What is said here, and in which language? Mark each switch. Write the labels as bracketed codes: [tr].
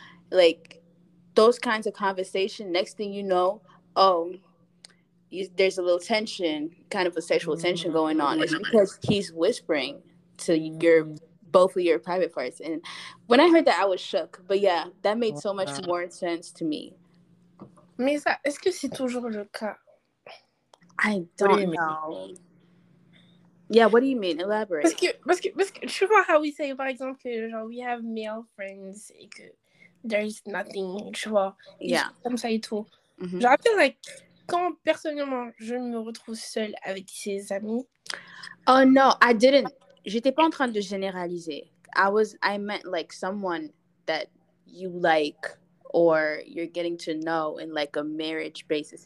[en] Like, those kinds of conversation, next thing you know, there's a little tension, kind of a sexual tension going on. It's because he's whispering to your both of your private parts. And when I heard that, I was shook. But yeah, that made so much more sense to me. [fr] Mais ça, est-ce que c'est toujours le cas? [en] I don't know. Yeah, what do you mean? Elaborate. [fr] Parce que, tu vois [en] how we say, [fr] par exemple, que genre, [en] we have male friends [fr] et que [en] there's nothing, [fr] tu vois. [en] Yeah. [fr] Comme ça et tout. Genre, [en] I feel like, [fr] quand personnellement, je me retrouve seule avec ses amis. [en] Oh no, I didn't. [fr] J'étais pas en train de généraliser. [en] I meant like someone that you like or you're getting to know in like a marriage basis.